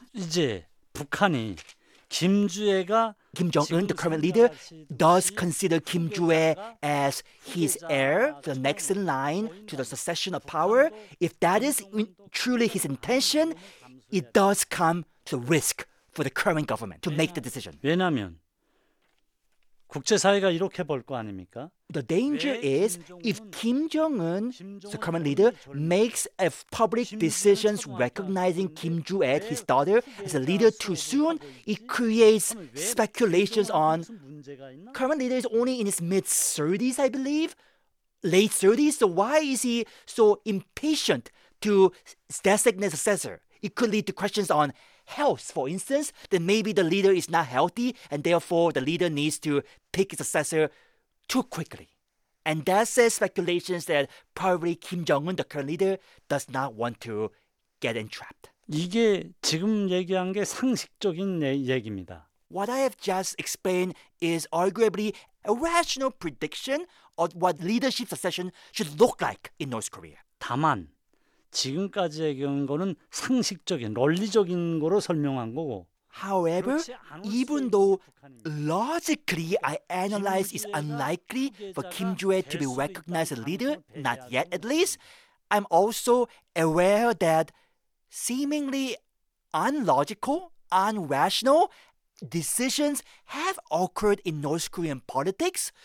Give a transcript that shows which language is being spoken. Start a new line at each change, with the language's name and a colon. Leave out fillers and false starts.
Korean: 이제 북한이 김주애가
English: Kim Jong-un, the current leader, does consider Kim Ju-hae as his heir, the next in line to the succession of power. If that is truly his intention, it does come to risk for the current government to make the decision.
Korean: 왜냐하면 국제사회가 이렇게 볼 거 아닙니까?
English: The danger is if Kim Jong-un, the current leader, makes a public decision recognizing Kim Ju-hae, his daughter, as a leader too soon, it creates speculations on current leader is only in his mid-30s, I believe, late 30s. So why is he so impatient to designate a successor? It could lead to questions on health, for instance, that maybe the leader is not healthy and therefore the leader needs to pick a successor too quickly. And that says speculations that probably Kim Jong-un, the current leader, does not want to get entrapped.
Korean: 이게 지금 얘기한 게 상식적인 얘기입니다.
English: What I have just explained is arguably a rational prediction of what leadership succession should look like in North Korea.
Korean: 다만 지금까지의 경우는 상식적인, 논리적인 거로 설명한 거고
English: However, even though logically I analyze it's unlikely for Kim Ju-hae to be recognized as a leader, not yet at least, I'm also aware that seemingly unlogical, unrational decisions have occurred in North Korean politics.